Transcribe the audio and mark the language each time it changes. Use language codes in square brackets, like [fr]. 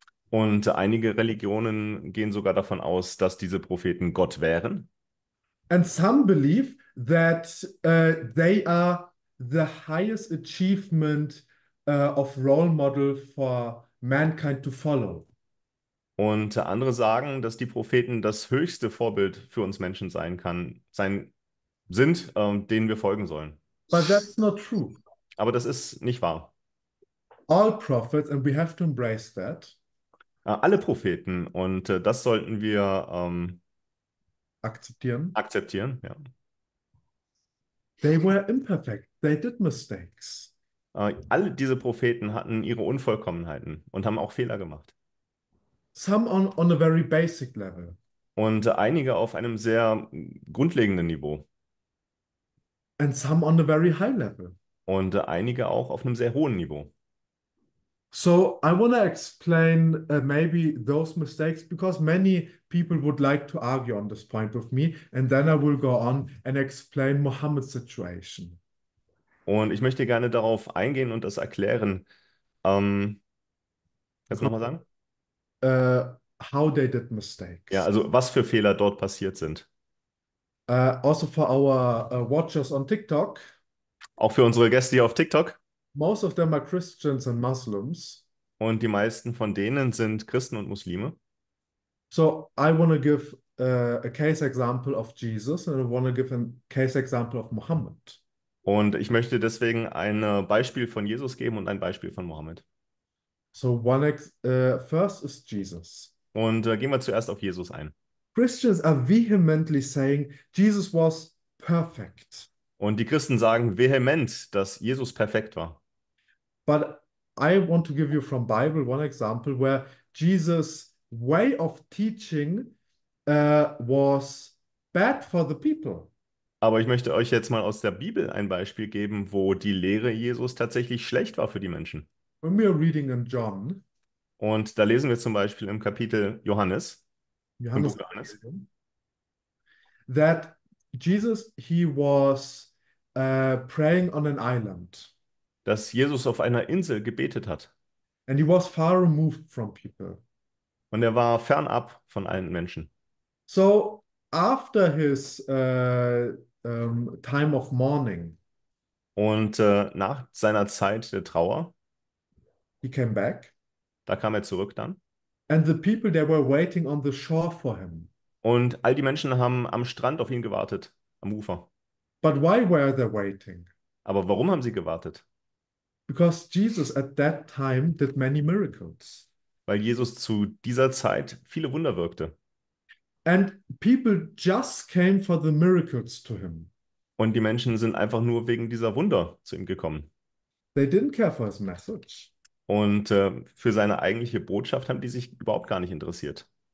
[de] Und einige Religionen gehen sogar davon aus, dass diese Propheten Gott wären. [en] And some believe that they are the highest achievement of role model for mankind to follow. [de] Und andere sagen, dass die Propheten das höchste Vorbild für uns Menschen sind, denen wir folgen sollen. [en] But that's not true. [de] Aber das ist nicht wahr. [en] All prophets, and we have to embrace that. [de] Alle Propheten, und das sollten wir Akzeptieren. akzeptieren, ja. [en] They were imperfect. They did mistakes. [de] All diese Propheten hatten ihre Unvollkommenheiten und haben auch Fehler gemacht. [en] Some on a very basic level. [de] Und einige auf einem sehr grundlegenden Niveau. [en] And some on a very high level. [de] Und einige auch auf einem sehr hohen Niveau. [en] So I want to explain maybe those mistakes because many people would like to argue on this point with me, and then I will go on and explain Muhammad's situation. [de] Und ich möchte gerne darauf eingehen und das erklären. Jetzt nochmal sagen? [en] How they did mistakes. [de] Ja, also was für Fehler dort passiert sind. [en] Also for our watchers on TikTok, [de] Auch für unsere Gäste hier auf TikTok. [en] most of them are Christians and Muslims. [de] Und die meisten von denen sind Christen und Muslime. [en] So I want to give a case example of Jesus and I want to give a case example of Muhammad. [de] Und ich möchte deswegen ein Beispiel von Jesus geben und ein Beispiel von Mohammed. [en] So one ex first is Jesus. [de] Und gehen wir zuerst auf Jesus ein. [en] Christians are vehemently saying Jesus was perfect. [de] Und die Christen sagen vehement, dass Jesus perfekt war. [en] But I want to give you from Bible one example where Jesus' way of teaching was bad for the people. [de] Aber ich möchte euch jetzt mal aus der Bibel ein Beispiel geben, wo die Lehre Jesus tatsächlich schlecht war für die Menschen. [en] When we are reading in John, [de] Und da lesen wir zum Beispiel im Kapitel Johannes, im Johannes, Buch Johannes. [en] that Jesus, he was praying on an island. [de] Dass Jesus auf einer Insel gebetet hat. [en] And he was far removed from people. [de] Und er war fernab von allen Menschen. [en] So after his time of mourning, [de] Und nach seiner Zeit der Trauer, [en] he came back [de] da kam er zurück dann. [en] and the people they were waiting on the shore for him. [de] Und all die Menschen haben am Strand auf ihn gewartet, am Ufer. [en] But why were they waiting? [de] Aber warum haben sie gewartet? [en] Because Jesus at that time did many miracles. [de] Weil Jesus zu dieser Zeit viele Wunder wirkte. [en] And people just came for the miracles to him. [de] Und die Menschen sind einfach nur wegen dieser Wunder zu ihm gekommen. [en] They didn't care for his message. [de] Und für seine eigentliche Botschaft haben die sich überhaupt gar nicht interessiert.